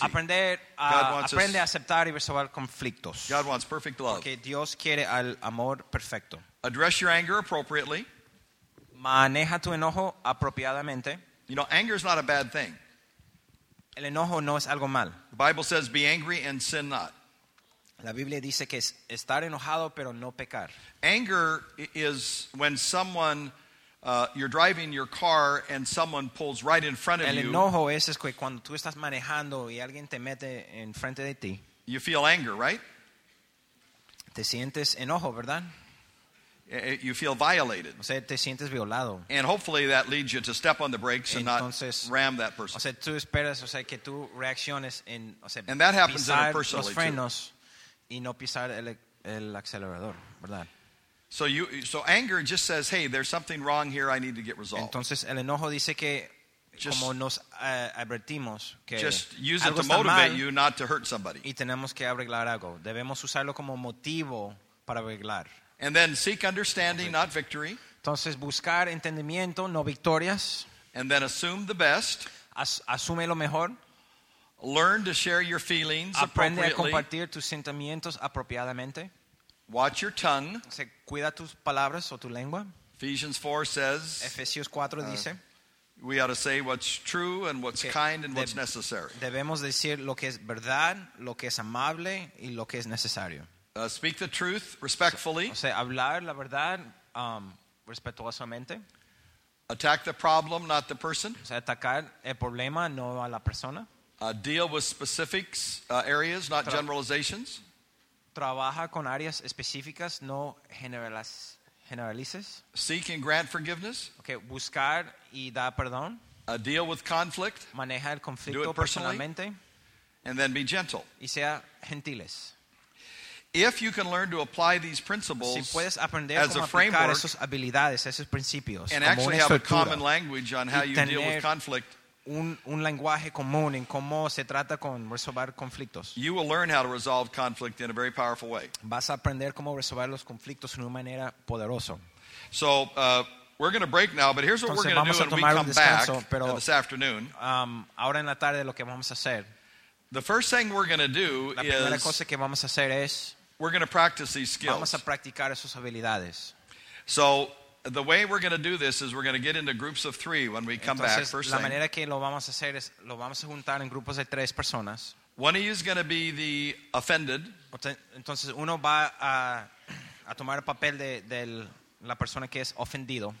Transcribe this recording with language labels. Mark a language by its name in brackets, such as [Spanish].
[Spanish] Aprender a aprende a aceptar y resolver conflictos. [English] God wants perfect love. [Spanish] Porque Dios quiere al amor perfecto. [English] Address your anger appropriately. [Spanish] Maneja tu enojo apropiadamente. [English] You know, anger is not a bad thing. [Spanish] El enojo no es algo mal. [English] The Bible says, "Be angry and sin not." [Spanish] La Biblia dice que es estar enojado pero no pecar. [English] Anger is when someone You're driving your car and someone pulls right in front of [Spanish] el [English] you. [Spanish] El enojo es que cuando tú estás manejando y alguien te mete en frente de ti. [English] You feel anger, right? [Spanish] Te sientes enojo, ¿verdad? [English] You feel violated. [Spanish] O sea, te sientes violado. [English] And hopefully that leads you to step on the brakes and [Spanish] entonces, [English] not ram that person. [Spanish] O sea, tú esperas, o sea, que tú reacciones en, o sea, [English] and that happens [Spanish] pisar [English] interpersonally [Spanish] los frenos [English] too. [Spanish] Y no pisar el acelerador, ¿verdad? [English] So anger just says, hey, there's something wrong here, I need to get resolved. [Spanish] Entonces el enojo dice que just, como nos advertimos que [English] just use it to motivate you not to hurt somebody. [Spanish] Y tenemos que arreglar algo. Debemos usarlo como motivo para arreglar. [English] And then seek understanding, not victory. [Spanish] Entonces buscar entendimiento, no victorias. [English] And then assume the best. [Spanish] Asume lo mejor. [English] Learn to share your feelings [Spanish] aprende [English] appropriately. [Spanish] Aprende a compartir tus sentimientos apropiadamente. [English] Watch your tongue. [Spanish] Se cuida tus palabras o tu lengua. [English] Ephesians 4 says. [Spanish] Efesios 4 dice. [English] We ought to say what's true and what's kind and what's necessary. [Spanish] Debemos decir lo que es verdad, lo que es amable y lo que es necesario. [English] Speak the truth respectfully. [Spanish] O sea, hablar la verdad respetuosamente. [English] Attack the problem, not the person. [Spanish] O sea, atacar el problema, no a la persona. [English] Deal with specifics areas, not generalizations. [Spanish] Trabaja con áreas específicas, no generalices. [English] Seek and grant forgiveness. [Spanish] Okay, buscar y dar perdón. [English] Deal with conflict. [Spanish] Maneja el conflicto personalmente. [English] And then be gentle. [Spanish] Y sea gentiles. [English] If you can learn to apply these principles [Spanish] si puedes aprender [English] as [Spanish] cómo [English] a framework [Spanish] esos habilidades, esos principios, [English] and [Spanish] como [English] actually [Spanish] una [English] have a common language on how you deal with conflict, [Spanish] un lenguaje común en cómo se trata con resolver conflictos, [English] you will learn how to resolve conflict in a very powerful way. [Spanish] Vas a aprender cómo resolver los conflictos de una manera poderosa. [English] So we're going to break now, but here's what [Spanish] entonces, [English] we're going to do when we come [Spanish] descanso, [English] back [Spanish] pero, [English] this afternoon. [Spanish] Ahora en la tarde lo que vamos a hacer. [English] The first thing we're going to do is we're going to practice these skills. [Spanish] Vamos a practicar esas habilidades. [English] So the way we're going to do this is we're going to get into groups of three when we come [Spanish] entonces, [English] back. First [Spanish] la [English] thing. [Spanish] Manera que lo vamos a hacer es lo vamos a juntar en grupos de tres personas. [English] One of you is going to be the offended. [Spanish] Entonces uno va a tomar el papel de la persona que es ofendido.